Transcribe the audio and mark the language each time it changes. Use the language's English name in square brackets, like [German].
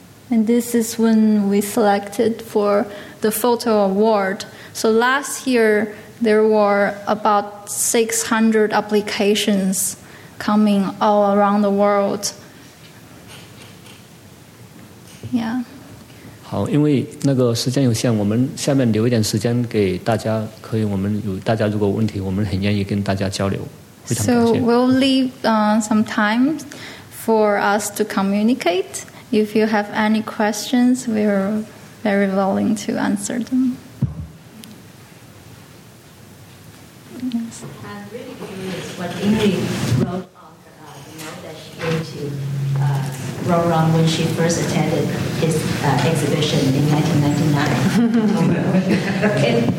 [English] Yeah. And this is when we selected for the photo award. So last year, there were about 600 applications coming all around the world. Yeah. [Chinese] 好，因为那个时间有限，我们下面留一点时间给大家，可以我们有大家如果有问题，我们很愿意跟大家交流，非常感谢。 [English] So we'll leave some time for us to communicate. If you have any questions, we're very willing to answer them. I'm really curious what Ingrid wrote on the note that she gave to Roran when she first attended his exhibition in 1999.